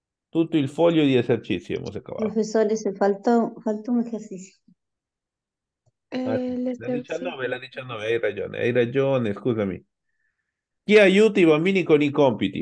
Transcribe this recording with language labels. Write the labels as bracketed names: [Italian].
[Italian] Tutto il foglio di esercizio [Spanish] hemos acabado. Profesor, se faltó un ejercicio. La 19, la 19. [Italian] Hay ragione, hay ragione. Scusami. Chi aiuta i bambini con i compiti?